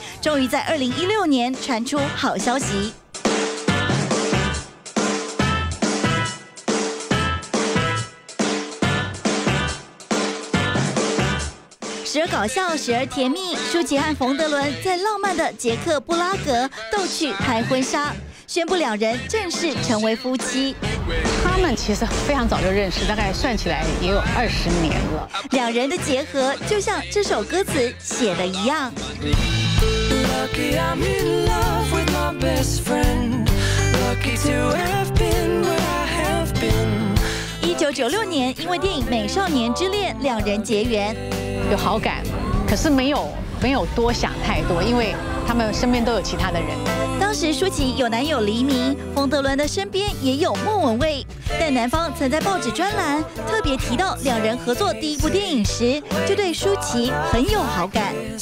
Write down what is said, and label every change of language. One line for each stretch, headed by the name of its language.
Chinese: 终于在2016年传出好消息，时而搞笑，时而甜蜜，舒淇和冯德伦在浪漫的捷克布拉格逗趣拍婚纱，宣布两人正式成为夫妻。他们其实非常早就认识，大概算起来也有20年了。两人的结合就像这首歌词写的一样。
English: Lucky I'm in love with my best friend. Lucky to have been where I have been.
Chinese: 1996年，因为电影《美少年之恋》，两人结缘，有好感，可是没有多想太多，因为他们身边都有其他的人。当时舒淇有男友黎明，冯德伦的身边也有莫文蔚，但男方曾在报纸专栏特别提到两人合作第一部电影时，就对舒淇很有好感，